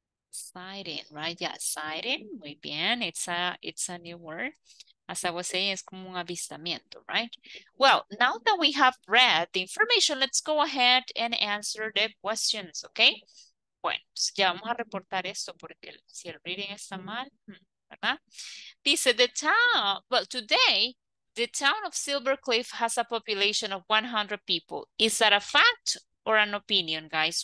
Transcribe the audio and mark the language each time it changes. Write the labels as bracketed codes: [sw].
[en] Sighting, right? Yeah, sighting. [es] Muy bien. [en] It's a new word. As I was saying, [es] es como un avistamiento, [en] right? Well, now that we have read the information, let's go ahead and answer the questions, okay? [es] Bueno, ya vamos a reportar esto porque si el reading está mal, ¿verdad? Dice, [en] the town, well, today, the town of Silvercliff has a population of 100 people. Is that a fact or an opinion, guys?